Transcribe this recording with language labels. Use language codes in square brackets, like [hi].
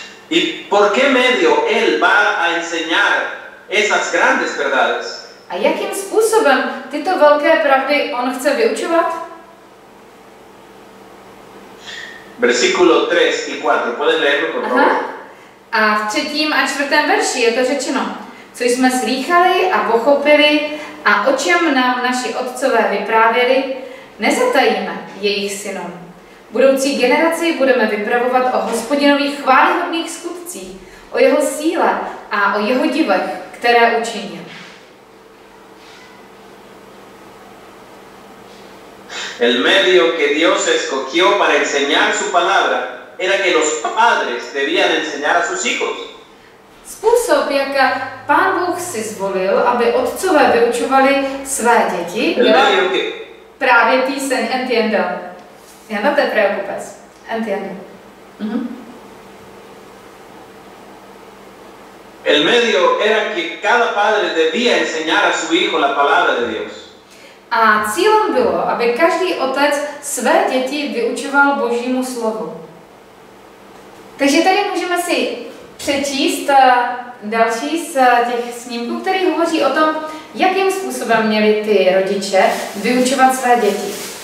[es] ¿Y por qué medio él va a enseñar esas grandes verdades? [cs] A jakým způsobem tyto velké pravdy on chce vyučovat? [es] Versículo 3 y 4, ¿puedes leerlo, por favor? [cs] A v třetím a čtvrtém verši je to řečeno, co jsme slýchali a pochopili a o čem nám naši otcové vyprávěli, nezatajíme jejich synům. Budoucí generaci budeme vypravovat o Hospodinových chválihodných skutcích, o jeho síle a o jeho divech, které učinil. [es] El medio que Dios escogió para enseñar su palabra era que los padres debían enseñar a sus hijos. [cs] Způsob, jak Pán Bůh si zvolil, aby otcové vyučovali své děti, právě píseň [es] Entiendo. Ja no te preocupes. Entiendo. El medio era que cada padre debía enseñar a su hijo la palabra de Dios. [cs] A cílem bylo, aby každý otec své děti vyučoval Božímu slovu. Takže tady můžeme si přečíst další z těch snímků, který hovoří o tom, jakým způsobem měli ty rodiče vyučovat své děti.